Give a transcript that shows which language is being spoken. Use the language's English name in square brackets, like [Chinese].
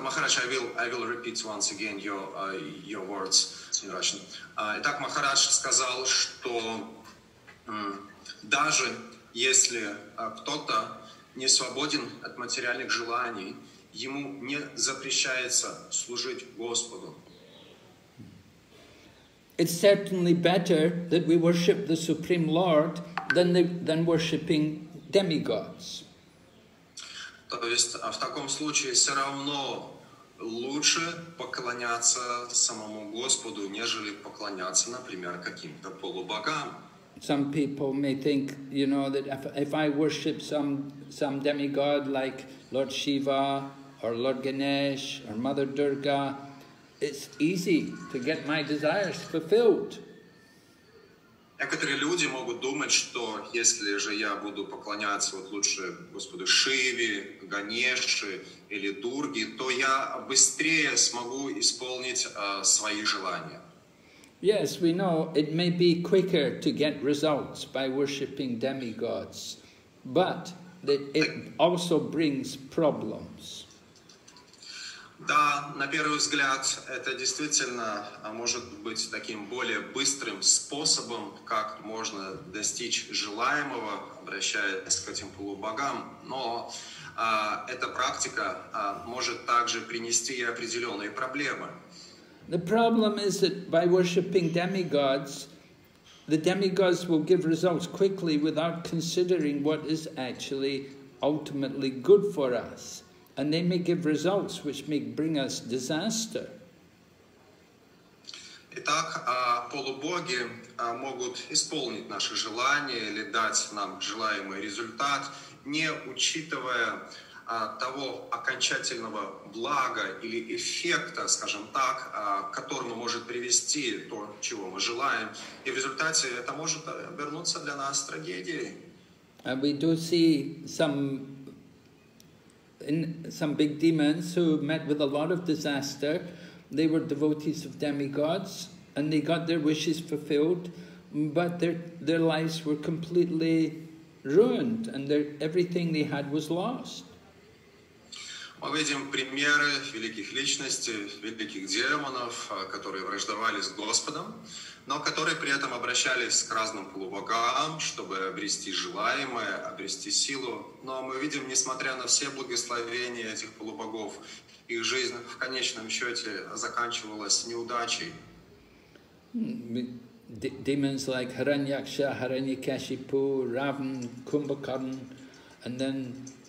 [English] Махарадж, I will repeat once again your words in Russian. [Russian] Итак, Махарадж сказал, что даже если кто-то не свободен от материальных желаний, ему не запрещается служить Господу. [English] It's certainly better that we worship the Supreme Lord than worshipping demigods. [Russian] То есть в таком случае все равно лучше поклоняться самому Господу, нежели поклоняться, например, каким-то полубогам. [English] Some people may think, you know, that if I worship some demigod like Lord Shiva or Lord Ganesh or Mother Durga, it's easy to get my desires fulfilled. [Russian] Некоторые люди могут думать, что если же я буду поклоняться вот лучше Господу Шиве, Ганеше или Дурге, то я быстрее смогу исполнить свои желания. [English] Yes, we know it may be quicker to get results by worshipping demigods, but it also brings problems. [Russian] Да, на первый взгляд, это действительно может быть таким более быстрым способом, как можно достичь желаемого, обращаясь к этим полубогам, но эта практика может также принести и определенные проблемы. [English] The problem is that by worshipping demigods, the demigods will give results quickly without considering what is actually ultimately good for us. And they may give results which may bring us disaster. [Russian] Итак, полубоги могут исполнить наши желания или дать нам желаемый результат, не учитывая того окончательного блага или эффекта, скажем так, к которому может привести то, чего мы желаем. И в результате это может обернуться для нас трагедией. [English] We do see some big demons who met with a lot of disaster. They were devotees of demigods, and they got their wishes fulfilled, but their lives were completely ruined, and everything they had was lost. [Russian] Мы видим примеры великих личностей, великих демонов, которые враждовали с Господом, но которые при этом обращались к разным полубогам, чтобы обрести желаемое, обрести силу. Но мы видим, несмотря на все благословения этих полубогов, их жизнь в конечном счете заканчивалась неудачей. [English] Demons like Hiranyaksha, Hiranyakashipu, Ravan, Kumbhakarn, and then